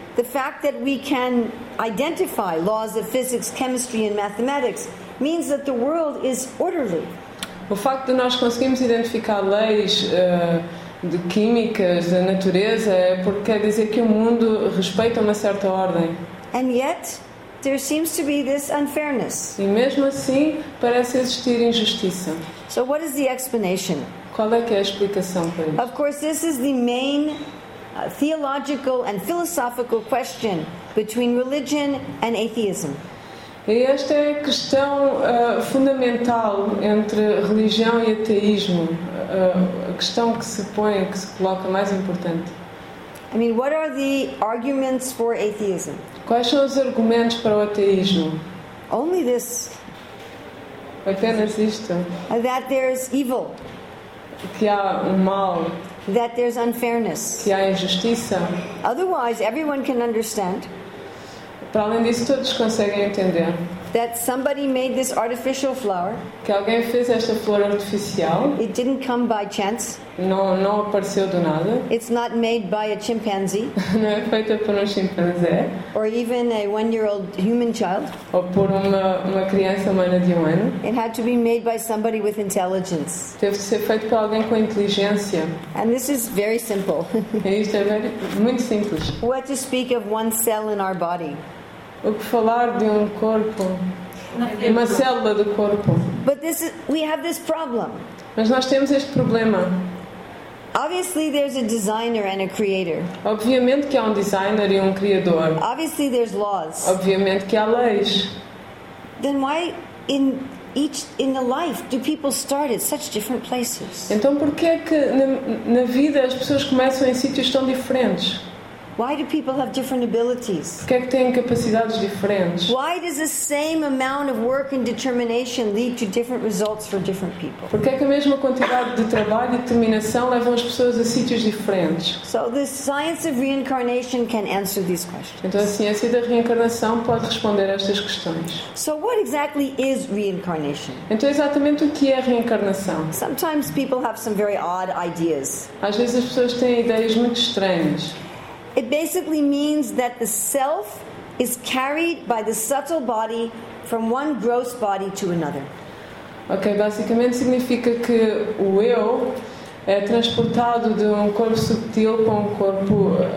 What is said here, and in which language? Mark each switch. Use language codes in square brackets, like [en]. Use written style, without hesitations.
[en] The fact that we can identify laws of physics, chemistry and mathematics means that the world is orderly. [pt] O facto de nós conseguirmos identificar leis de químicas, da natureza, é porque quer dizer que o mundo respeita uma certa ordem. [en] And yet, there seems to be this unfairness. [pt] E mesmo assim, parece existir injustiça. [en] So what is the explanation? [pt] Qual é que é a explicação para isso? [en] Of course, this is the main theological and philosophical question between religion and atheism. [pt] E esta é a questão fundamental entre religião e ateísmo, a questão que se põe, que se coloca mais importante. [en] I mean, what are the arguments for atheism? [pt] Quais são os argumentos para o ateísmo? [en] Only this. [pt] Apenas isto. [en] That there's evil. [pt] Que há um mal. [en] That there's unfairness. [pt] Que há injustiça. [en] Otherwise, everyone can understand. [pt] Para além disso, todos conseguem entender. [en] That somebody made this artificial flower. [pt] Que alguém fez esta flor artificial. [en] It didn't come by chance. [pt] Não apareceu do nada. [en] It's not made by a chimpanzee. [pt] Não é feita por um chimpanzé. [en] Or even a one-year-old human child. [pt] Ou por uma criança humana de 1 ano. [en] It had to be made by somebody with intelligence. [pt] Teve de ser feito por alguém com inteligência. [en] And this is very simple. [pt] E isto é muito simples. [en] What to speak of one cell in our body. [pt] O que falar de um corpo, uma célula do corpo. [en] But this is, we have this problem. [pt] Mas nós temos este problema. [en] Obviously there's a designer and a creator. [pt] Obviamente que há um designer e um criador. [en] Obviously there's laws. [pt] Obviamente que há leis. [en] Then why in each in the life do people start at such different places? [pt] Então porque é que na vida as pessoas começam em sítios tão diferentes? [en] Why do people have different abilities? [pt] Porque é que têm capacidades diferentes? [en] Why does the same amount of work and determination lead to different results for different people? [pt] Porque é que a mesma quantidade de trabalho e determinação levam as pessoas a sítios diferentes? [en] So the science of reincarnation can answer these questions. [pt] Então a ciência da reencarnação pode responder a estas questões. [en] So what exactly is reincarnation? [pt] Então exatamente o que é a reencarnação? [en] Sometimes people have some very odd ideas. [pt] Às vezes as pessoas têm ideias muito estranhas. [en] It basically means that the self is carried by the subtle body from one gross body to another. [pt] Okay, basicamente significa que o eu é transportado de um corpo subtil para um corpo